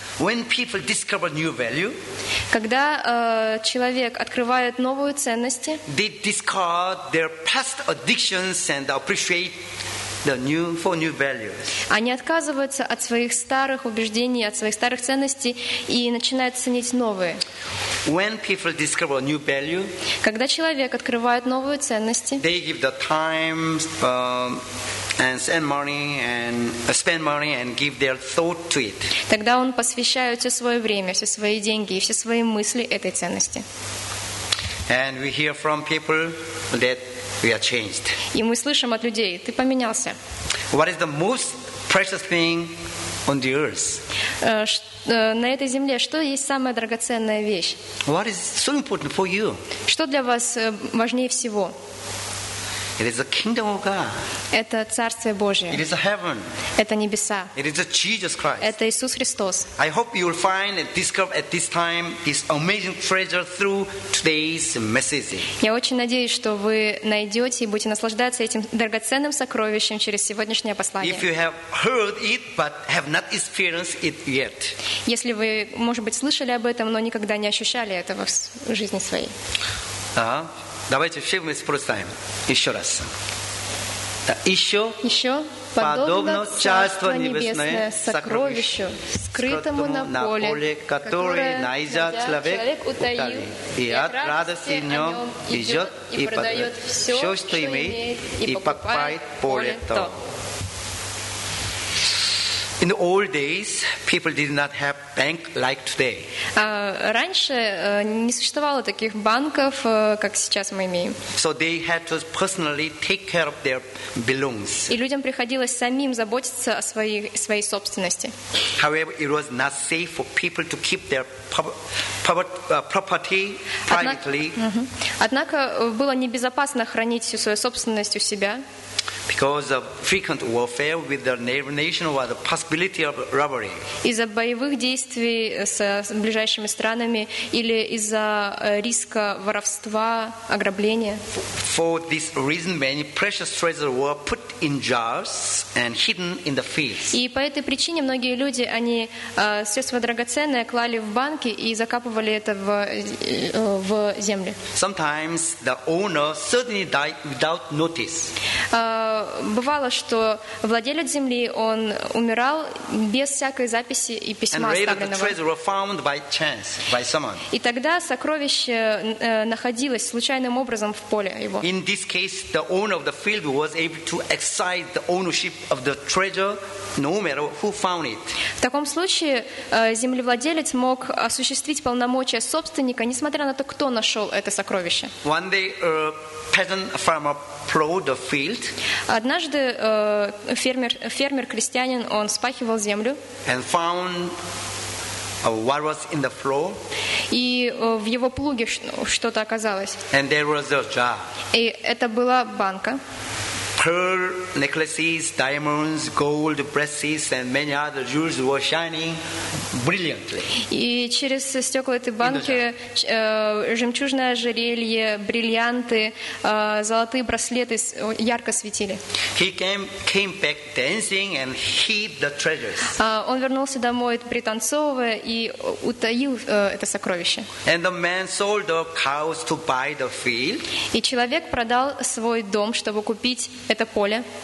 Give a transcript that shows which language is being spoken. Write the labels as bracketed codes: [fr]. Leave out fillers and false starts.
[en] When people discover new value. [ru] Когда человек открывает новые ценности. [en] They discard their past addictions and appreciate the new for new values. [ru] Они отказываются от своих старых убеждений, от своих старых ценностей и начинают ценить новые. [en] When people discover new value. [ru] Когда человек открывает новые ценности. [en] They give the time and spend money and give their thought to it. [ru] Тогда он посвящает все свое время, все свои деньги и все свои мысли этой ценности. [en] And we hear from people that we are changed. [ru] И мы слышим от людей: ты поменялся. [en] What is the most precious thing on the earth? [ru] На этой земле что есть самая драгоценная вещь? [en] What is so important for you? [ru] Что для вас важнее всего? [en] It is the kingdom of God. [ru] Это Царствие Божие. [en] It is heaven. [ru] Это небеса. [en] It is Jesus Christ. [ru] Это Иисус Христос. [en] I hope you will find and discover at this time this amazing treasure through today's message. [ru] Я очень надеюсь, что вы найдете и будете наслаждаться этим драгоценным сокровищем через сегодняшнее послание. [en] If you have heard it but have not experienced it yet. [ru] Если вы, может быть, слышали об этом, но никогда не ощущали этого в жизни своей. Давайте все вместе прочитаем еще раз. Еще подобно Царство Небесное сокровищу, скрытому на поле, которое найдя человек утаил, и от радости в нем идет и продает все, что имеет, и покупает поле то. [en] In the old days, people did not have bank like today. [ru] Раньше не существовало таких банков, как сейчас мы имеем. [en] So they had to personally take care of their belongings. [ru] И людям приходилось самим заботиться о своей собственности. [en] However, it was not safe for people to keep their property privately. [ru] Однако было небезопасно хранить всю свою собственность у себя. [en] Because of frequent warfare with the neighboring nation or the possibility of robbery. [ru] Из-за боевых действий с ближайшими странами или из-за риска воровства, ограбления. [en] For this reason, many precious treasures were put in jars and hidden in the fields. [ru] И по этой причине многие люди они средства драгоценные клали в банки и закапывали это в земле. [en] Sometimes the owner suddenly died without notice. [ru] Бывало, что владелец земли он умирал без всякой записи и письма оставленного. [en] And later the treasure was found by chance by someone. [ru] И тогда сокровище находилось случайным образом в поле его. [en] In this case, the owner of the field was able to exercise the ownership of the treasure, no matter who found it. [ru] В таком случае землевладелец мог осуществить полномочия собственника, несмотря на то, кто нашел это сокровище. [en] One day, a peasant farmer plowed the field. [ru] Однажды фермер-крестьянин он спахивал землю. [en] And found what was in the floor? [ru] И в его плуге что-то оказалось. [en] And there was a jar. [ru] И это была банка. [en] Pearl necklaces, diamonds, gold bracelets, and many other jewels were shining brilliantly. [ru] И через стекла этой банки жемчужное ожерелье, бриллианты, золотые браслеты ярко светили. [en] He came back dancing and hid the treasures. [ru] Он вернулся домой пританцовывая и утаил это сокровище. [en] And the man sold the cows to buy the field. [ru] И человек продал свой дом, чтобы купить это поле.